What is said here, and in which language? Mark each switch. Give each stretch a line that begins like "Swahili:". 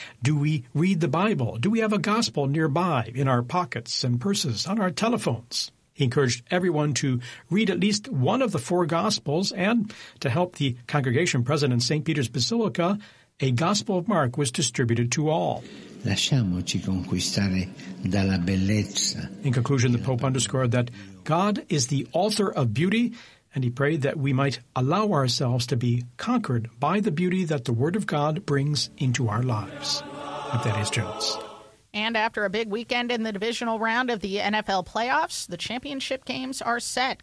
English: Do we read the Bible? Do we have a gospel nearby, in our pockets and purses, on our telephones? He encouraged everyone to read at least one of the four gospels, and to help the congregation present in St. Peter's Basilica, a Gospel of Mark was distributed to all.
Italian: Lasciamoci conquistare dalla bellezza.
English: In conclusion, the Pope underscored that God is the author of beauty, and he prayed that we might allow ourselves to be conquered by the beauty that the Word of God brings into our lives. And that is Jones. And after a big weekend in the divisional round of the NFL playoffs, the championship games are set.